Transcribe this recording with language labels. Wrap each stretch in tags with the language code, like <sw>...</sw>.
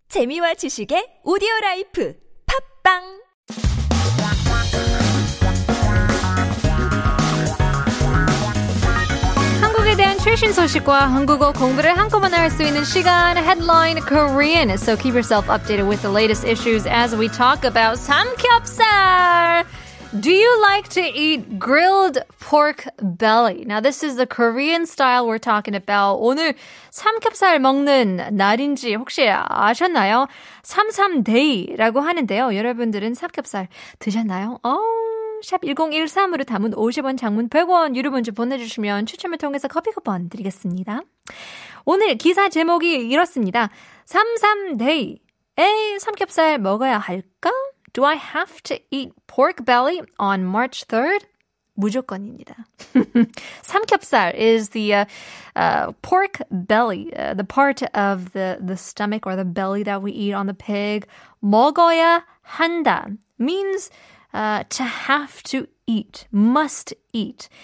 <ko>재미와 지식의 오디오라이프 팝빵 한국에 대한 최신 소식과 한국어 공부를 한꺼번에 할 수 있는 시간</ko> <en>Headline Korean So keep yourself updated with the latest issues as we talk about 삼겹살 Do you like to eat grilled pork belly? Now, this is the Korean style we're talking about.</en> <ko>오늘 삼겹살 먹는 날인지 혹시 아셨나요? 삼삼데이라고 하는데요. 여러분들은 삼겹살 드셨나요? 샵1013으로 담은 50원 장문 100원 유료문자 보내주시면 추첨을 통해서 커피 쿠폰 드리겠습니다. 오늘 기사 제목이 이렇습니다. 삼삼데이, 에이 삼겹살 먹어야 할까?</ko> <en>Do I have to eat pork belly on March 3rd?</en> <ko>무조건입니다.</ko> <en>삼겹살 is the pork belly, the part of the stomach or the belly that we eat on the pig.</en> <ko>먹어야 한다</ko> <en>means to have to eat, must eat.</en>